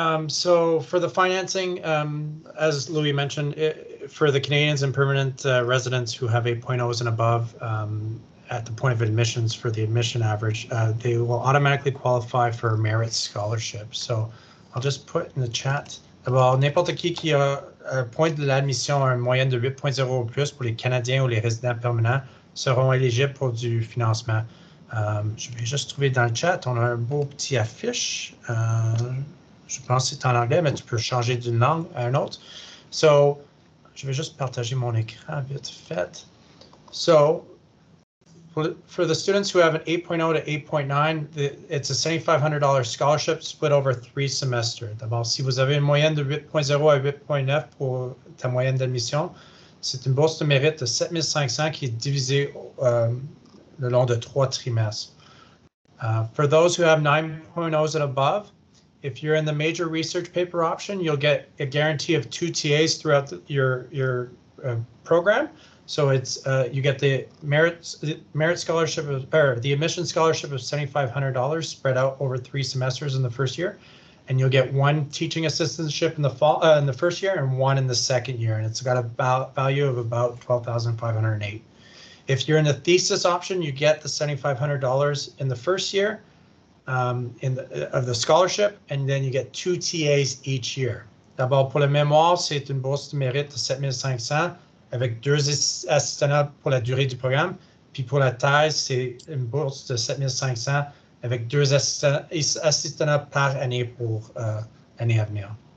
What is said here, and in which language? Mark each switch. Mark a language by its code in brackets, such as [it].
[en] So, for the financing, as Louis mentioned, for the Canadians and permanent residents who have 8.0s and above at the point of admissions for the admission average, they will automatically qualify for a merit scholarship. So, I'll just put in the chat [fr] Alors, n'importe qui a un point de l'admission à une moyenne de 8.0 ou plus pour les Canadiens ou les résidents permanents seront éligibles pour du financement. Je vais juste trouver dans le chat, on a un beau petit affiche. Je pense que c'est en anglais, mais tu peux changer d'une langue à une autre. So, je vais juste partager mon écran vite fait. [en] So, for the students who have an 8.0 to 8.9, it's a $7,500 scholarship split over three semesters. [fr] D'abord, si vous avez une moyenne de 8.0 à 8.9 pour ta moyenne d'admission, c'est une bourse de mérite de 7500 qui est divisée le long de trois trimestres. [en] For those who have 9.0s and above, if you're in the major research paper option, you'll get a guarantee of two TAs throughout your program. So it's you get the merit scholarship or the admission scholarship of $7,500 spread out over three semesters in the first year, and you'll get one teaching assistantship in the fall in the first year and one in the second year, and it's got a value of about $12,508. If you're in the thesis option, you get the $7,500 in the first year of the scholarship, and then you get two TAs each year. [fr] D'abord pour le mémoire, c'est une bourse de mérite de 7500. Avec deux assistants pour la durée du programme. Puis pour la thèse, c'est une bourse de 7500 avec deux assistants par année pour l'année à venir.